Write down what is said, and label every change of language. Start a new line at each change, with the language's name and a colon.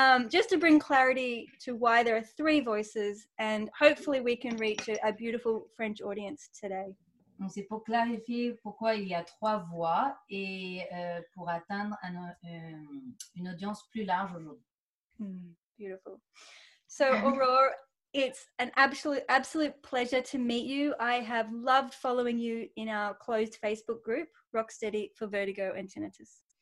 English: Just to bring clarity to why there are three voices, and hopefully we can reach a beautiful French audience today.
French: Donc c'est pour clarifier pourquoi il y a trois voix et pour atteindre une audience plus large aujourd'hui.
English: Beautiful. So Aurore, it's an absolute pleasure to meet you. I have loved following you in our closed Facebook group, Rocksteady for Vertigo and Tinnitus.